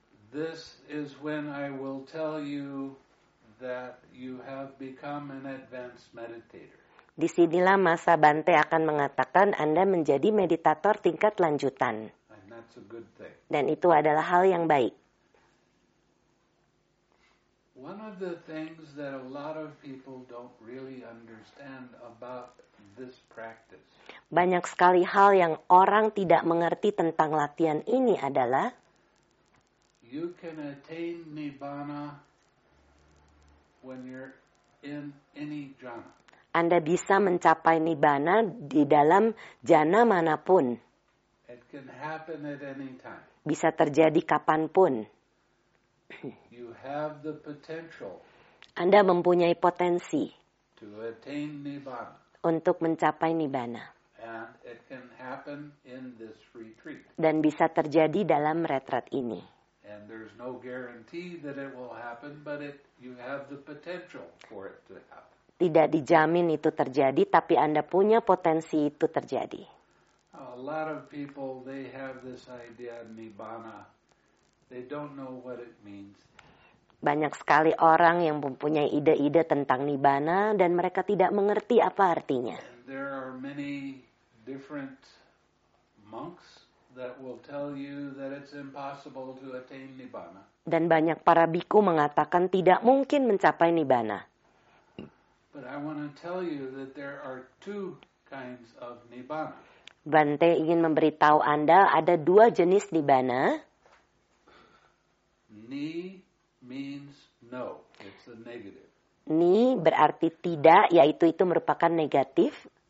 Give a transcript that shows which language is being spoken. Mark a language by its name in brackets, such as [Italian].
[English] This is when I will tell you that you have become an advanced meditator. [Indonesian] Disinilah Masa Bante akan mengatakan Anda menjadi meditator tingkat lanjutan. [English] And that's a good thing. [Indonesian] Dan itu adalah hal yang baik. [English] One of the things that a lot of people don't really understand about this practice. [Indonesian] Banyak sekali hal yang orang tidak mengerti tentang latihan ini adalah. [English] You can attain nibbana when you're in any jhana. [Indonesian] Anda bisa mencapai nibbana di dalam jhana manapun. [English] It can happen at any time. [Indonesian] Bisa terjadi kapanpun. [English] You have the potential. [Indonesian] Anda mempunyai potensi [English] to attain nibbana. [Indonesian] Untuk mencapai nibbana. [English] And it can happen in this retreat. [Indonesian] Dan bisa terjadi dalam retreat ini. [English] And there's no guarantee that it will happen, but it, you have the potential for it to happen. [Indonesian] Tidak dijamin itu terjadi, tapi Anda punya potensi itu terjadi. [English] A lot of people, they have this idea of nibbana. They don't know what it means. [Indonesian] Banyak sekali orang yang mempunyai ide-ide tentang nibbana dan mereka tidak mengerti apa artinya. [English] And there are many different monks that will tell you that it's impossible to attain nibbana. [Indonesian] Dan banyak para bhikkhu mengatakan tidak mungkin mencapai nibbana. [English] But I want to tell you that there are two kinds of nibbana. [Indonesian] Bante ingin memberitahu Anda ada dua jenis nibbana. [English] Ni means no, it's a negative. [Indonesian] Ni berarti tidak, yaitu itu merupakan negatif.